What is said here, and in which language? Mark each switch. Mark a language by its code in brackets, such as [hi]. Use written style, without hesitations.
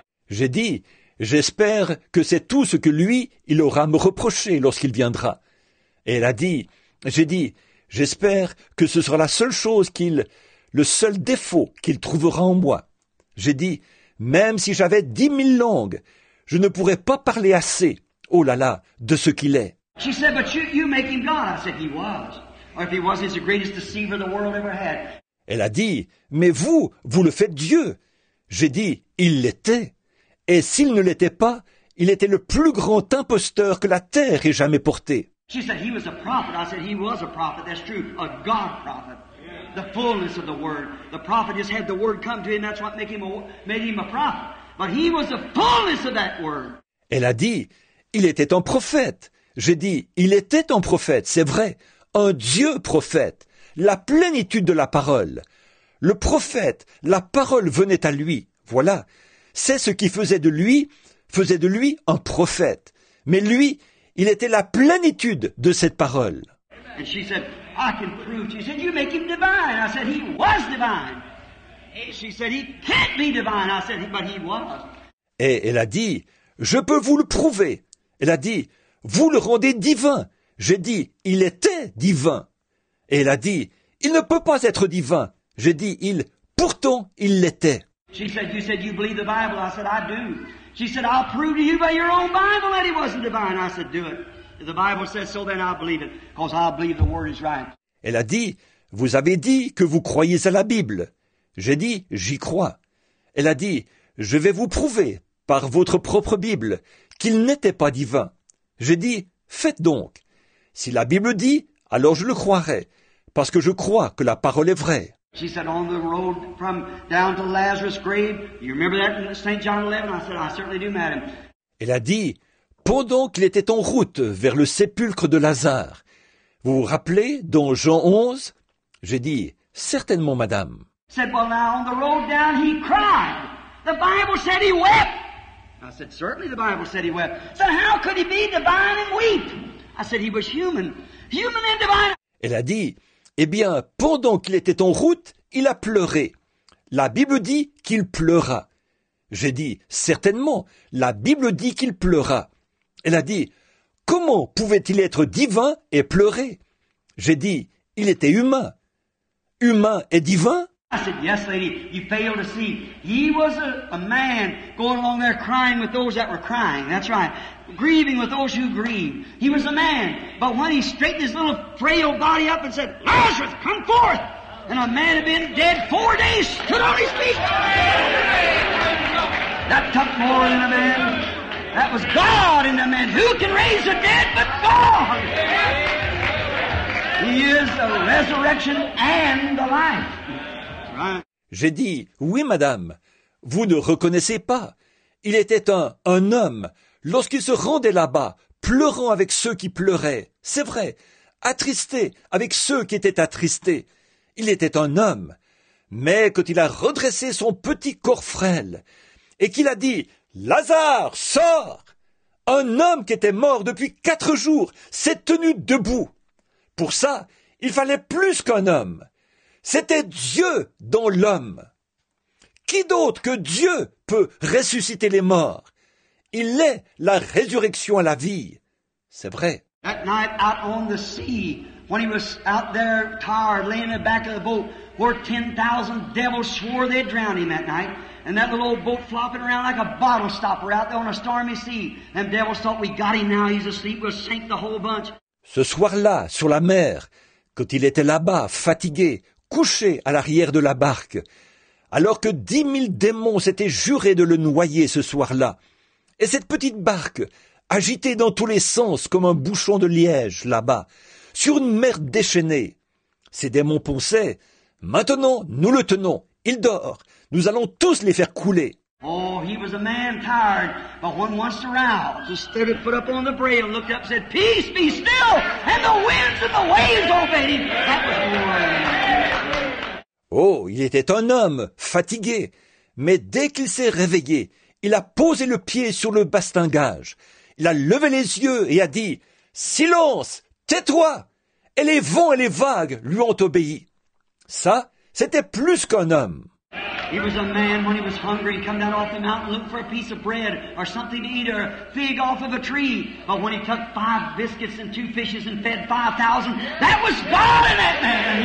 [fr] J'ai dit, j'espère que c'est tout ce que lui, il aura à me reprocher lorsqu'il viendra. Et elle a dit, j'ai dit, j'espère que ce sera la seule chose qu'il... le seul défaut qu'il trouvera en moi. J'ai dit, même si j'avais 10 000 langues, je ne pourrais pas parler assez, oh là là, de ce qu'il est. [en] She said, but you make him God. I said, he was. Or if he was, he's the greatest deceiver the world ever had. [fr] Elle a dit, mais vous le faites Dieu. J'ai dit, il l'était. Et s'il ne l'était pas, il était le plus grand imposteur que la terre ait jamais porté. [en] She said, he was a prophet. I said, he was a prophet. That's true. A God prophet. The fullness of the word. The prophet just had the word come to him. That's what made him a prophet. But he was the fullness of that word. [fr] Elle a dit, il était un prophète. J'ai dit, il était un prophète, c'est vrai. Un Dieu prophète. La plénitude de la parole. Le prophète, la parole venait à lui. Voilà. C'est ce qui faisait de lui un prophète. Mais lui, il était la plénitude de cette parole. [en] And she said, I can prove. She said, you make him divine. I said, he was divine. She said, he can't be divine. I said, but he was. [fr] Et elle a dit, je peux vous le prouver. Elle a dit, vous le rendez divin. J'ai dit, il était divin. Et elle a dit, il ne peut pas être divin. J'ai dit, pourtant, il l'était. [en] She said, you believe the Bible? I said, I do. She said, I'll prove to you by your own Bible that he wasn't divine. I said, do it. If the Bible says so, then I believe it, because I believe the word is right. [fr] Elle a dit, vous avez dit que vous croyez à la Bible. J'ai dit, j'y crois. Elle a dit, je vais vous prouver, par votre propre Bible, qu'il n'était pas divin. J'ai dit, faites donc. Si la Bible dit, alors je le croirai, parce que je crois que la parole est vraie. [en] She said, on the road from down to Lazarus' grave. You remember that in St. John 11? I said, I certainly do, madam. [fr] Elle a dit, pendant qu'il était en route vers le sépulcre de Lazare. Vous vous rappelez, dans Jean 11? J'ai dit, certainement, madame. [en] She said, well, now on the road down, he cried. The Bible said he wept. I said, certainly the Bible said he wept. So how could he be divine and weep? I said, he was human. Human and divine. [fr] Elle a dit, eh bien, pendant qu'il était en route, il a pleuré. La Bible dit qu'il pleura. J'ai dit, certainement, la Bible dit qu'il pleura. Elle a dit, comment pouvait-il être divin et pleurer? J'ai dit, il était humain. Humain et divin? [en] I said, yes, lady, you fail to see. He was a man going along there crying with those that were crying. That's right. Grieving with those who grieved. He was a man. But when he straightened his little frail body up and said, Lazarus, come forth! And a man had been dead 4 days, stood on his feet! That took more than a man. That was God in the man. Who can raise the dead but God? He is the resurrection and the life. [fr] J'ai dit, oui, madame, vous ne reconnaissez pas. Il était un homme, lorsqu'il se rendait là-bas, pleurant avec ceux qui pleuraient, c'est vrai, attristé avec ceux qui étaient attristés. Il était un homme. Mais quand il a redressé son petit corps frêle et qu'il a dit, Lazare, sors! Un homme qui était mort depuis 4 jours s'est tenu debout. Pour ça, il fallait plus qu'un homme. C'était Dieu dans l'homme. Qui d'autre que Dieu peut ressusciter les morts? Il est la résurrection à la vie. C'est vrai. [en] That night out on the sea, when he was out there tired, laying in the back of the boat, where 10,000 devils swore they'd drown him that night, and that little old boat flopping around like a bottle stopper out there on a stormy sea, them devils thought, we got him now, he's asleep, we'll sink the whole bunch. [fr] Ce soir-là, sur la mer, quand il était là-bas, fatigué, couché à l'arrière de la barque, alors que 10 000 démons s'étaient jurés de le noyer ce soir-là. Et cette petite barque, agitée dans tous les sens comme un bouchon de liège là-bas, sur une mer déchaînée. Ces démons pensaient, maintenant nous le tenons, il dort, nous allons tous les faire couler. [en] Oh, he was a man tired, but when once aroused, he stood and put up on the braille, looked up, said, peace, be still, and the winds and the waves obeyed him. That was glory. [fr] Oh, il était un homme, fatigué, mais dès qu'il s'est réveillé, il a posé le pied sur le bastingage. Il a levé les yeux et a dit, silence, tais-toi, et les vents et les vagues lui ont obéi. Ça, c'était plus qu'un homme. [en] He was a man when he was hungry, come down off the mountain, look for a piece of bread or something to eat or a fig off of a tree. But when he took 5 biscuits and 2 fishes and fed 5,000, that was God in that man.